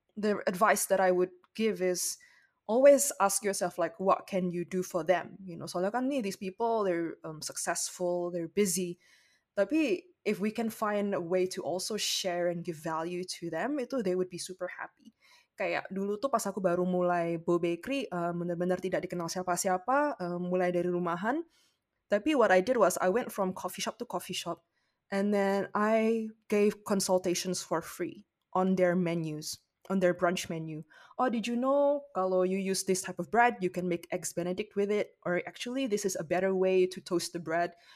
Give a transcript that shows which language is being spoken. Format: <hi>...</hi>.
<en>The advice that I would give is, always ask yourself like, what can you do for them? You know,</en> <id>soalnya kan nih,</id> <en>these people, they're successful, they're busy.</en> <id>Tapi,</id> <en>if we can find a way to also share and give value to them,</en> <id>itu</id> <en>they would be super happy.</en> <id>Kayak dulu tuh pas aku baru mulai Bow Bakery, benar-benar tidak dikenal siapa-siapa, mulai dari rumahan. Tapi</id> <en>what I did was, I went from coffee shop to coffee shop, and then I gave consultations for free on their menus, on their brunch menu. Oh, did you know</en> <id>kalau</id> <en>you use this type of bread, you can make eggs benedict with it, or actually this is a better way to toast the bread.</en>